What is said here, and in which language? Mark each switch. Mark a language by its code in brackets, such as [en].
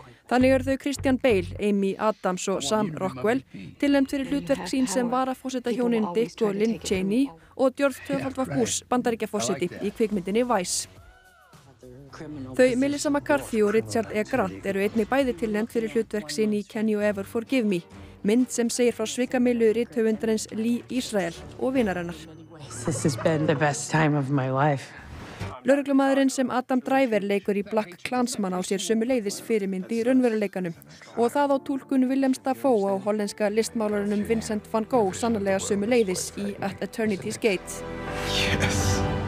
[is] Þannig eru þau Christian Bale, Amy Adams og Sam Rockwell tilnefnd fyrir hlutverk sín sem var að forseta hjónin Dick og Lynn Cheney og George Töfaldva Gús, bandaríkjaforseti í kvikmyndinni Vice. Þau Melissa McCarthy og Richard E. Grant eru einnig bæði tilnefnd fyrir hlutverk sín í Can You Ever Forgive Me, mynd sem segir frá svikamyllu rithöfundarins Lee Israel og vinarinnar. [en] This has been the best time of my life. [is] Lögreglumaðurinn sem Adam Driver leikur í Black Klansman á sér sömuleiðis fyrirmynd í raunveruleikanum og það á túlkun Willems Dafoe á hollenska listmálarunum Vincent van Gogh sannlega sömuleiðis í At Eternity's Gate. [en] Yes.